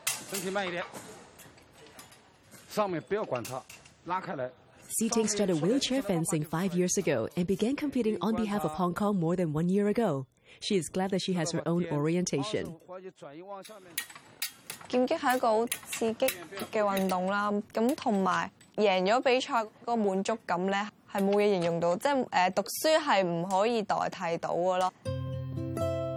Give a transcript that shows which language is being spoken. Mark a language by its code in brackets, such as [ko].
[yue] 身體慢一點，上面不要管它，拉開來。 [en] Si Ting started wheelchair fencing 5 years ago and began competing on behalf of Hong Kong more than 1 year ago. She is glad that she has her own orientation. [yue] 劍擊是一個很刺激的運動，還有贏了比賽的滿足感是沒有形容到，就是讀書是不可以代替到的。